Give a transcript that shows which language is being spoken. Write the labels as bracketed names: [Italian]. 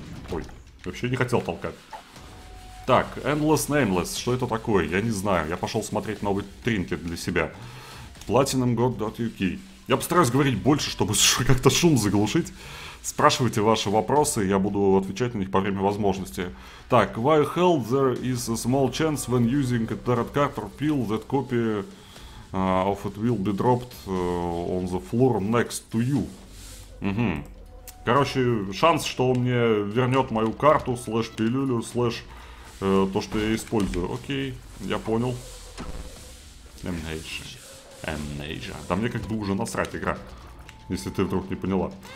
[Russian] Ой, вообще не хотел толкать. Так, Endless Nameless, что это такое? Я не знаю, я пошел смотреть новый тринкет для себя. PlatinumGod.uk. Я постараюсь говорить больше, чтобы как-то шум заглушить. Спрашивайте ваши вопросы, я буду отвечать на них по время возможности. [English] Так, why hell there is a small chance when using a tarot card or pill that copy of it will be dropped on the floor next to you? [Russian] Угу. Короче, шанс, что он мне вернет мою карту, слэш пилюлю, слэш то, что я использую. Окей, я понял. Amnesia. Amnesia. Да мне как бы уже насрать, игра. Если ты вдруг не поняла.